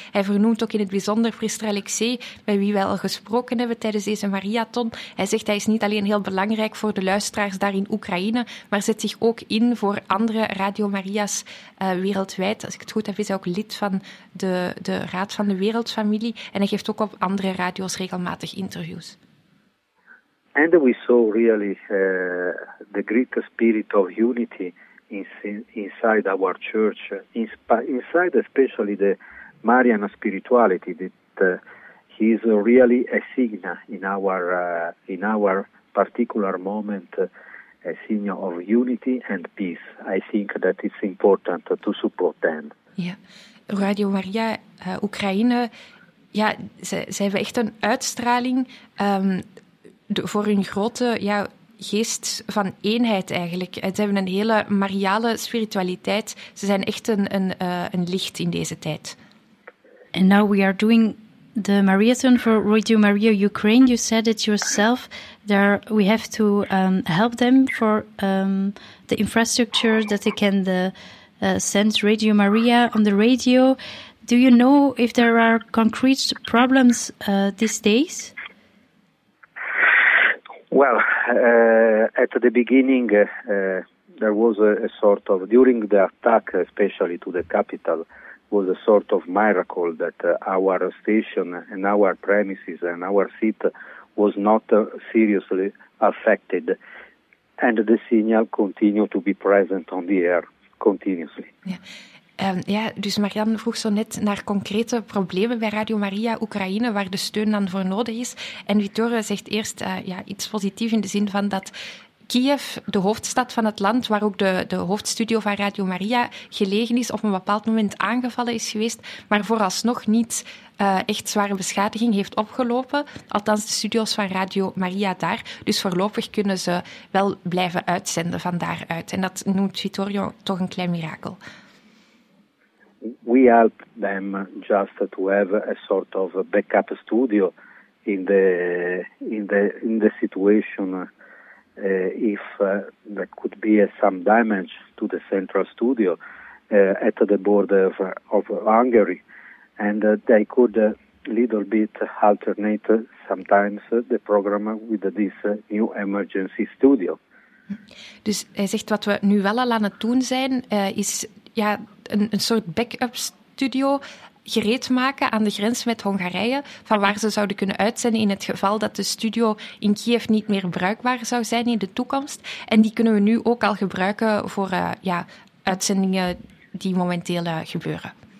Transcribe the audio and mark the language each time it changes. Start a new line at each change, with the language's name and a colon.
Dutch: Hij vernoemt ook in het bijzonder priester Alexei, bij wie we al gesproken hebben tijdens deze Mariathon. Hij zegt hij is niet alleen heel belangrijk voor de luisteraars daar in Oekraïne, maar zet zich ook in voor andere Radio Maria's wereldwijd. Als ik het goed heb, is hij ook lid van de Raad van de Wereldfamilie en hij geeft ook op andere radio's regelmatig interviews.
English: And we saw really the great spirit of unity inside our church, inside especially the Marian spirituality, that is really a signal in our particular moment, a signal of unity and peace. I think that it's important to support them. Yeah.
Dutch: Radio Maria, Oekraïne, ja, ze hebben echt een uitstraling voor hun grote, ja, geest van eenheid eigenlijk. Ze hebben een hele mariale spiritualiteit. Ze zijn echt een licht in deze tijd.
English: And now we are doing the Mariathon for Radio Maria Ukraine. You said it yourself. There we have to help them for the infrastructure that they can send Radio Maria on the radio. Do you know if there are concrete problems these days? Well, at the beginning, there was a sort of, during the attack, especially to the capital, was a sort of miracle that our station and our premises and our seat was not seriously affected. And the signal continued to be present on the air continuously. Yeah.
Dutch: Ja, dus Marianne vroeg zo net naar concrete problemen bij Radio Maria Oekraïne, waar de steun dan voor nodig is. En Vittorio zegt eerst iets positiefs in de zin van dat Kiev, de hoofdstad van het land, waar ook de hoofdstudio van Radio Maria gelegen is, op een bepaald moment aangevallen is geweest, maar vooralsnog niet echt zware beschadiging heeft opgelopen. Althans, de studio's van Radio Maria daar. Dus voorlopig kunnen ze wel blijven uitzenden van daaruit. En dat noemt Vittorio toch een klein mirakel.
English: We help them just to have a sort of a backup studio in the situation if there could be some damage to the central studio at the border of Hungary, and they could little bit alternate sometimes the program with this new emergency studio.
Dutch: Dus hij zegt wat we nu wel al aan het doen zijn is ja, een soort backup studio gereed maken aan de grens met Hongarije, van waar ze zouden kunnen uitzenden in het geval dat de studio in Kiev niet meer bruikbaar zou zijn in de toekomst. En die kunnen we nu ook al gebruiken voor uitzendingen die momenteel gebeuren.